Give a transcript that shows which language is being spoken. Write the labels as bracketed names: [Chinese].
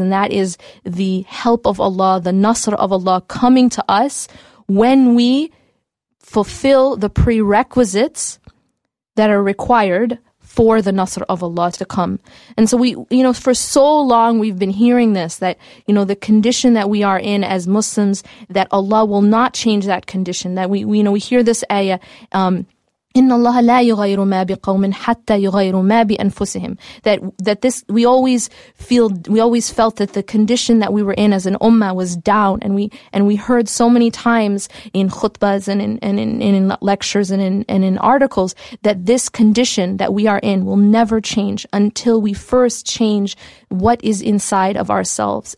[English] And that is the help of Allah, the Nasr of Allah coming to us when we fulfill the prerequisites that are required for the Nasr of Allah to come. And so we for so long we've been hearing this, that, the condition that we are in as Muslims, that Allah will not change that condition. That we hear this ayah, [Arabic] إِنَّ اللَّهَ لَا يُغَيْرُ مَا بِقَوْمٍ حَتَّى يُغَيْرُ مَا بِأَنفُسِهِمْ. [English] That this, we always felt that the condition that we were in as an ummah was down, and we heard so many times in khutbas and in lectures and in articles that this condition that we are in will never change until we first change what is inside of ourselves.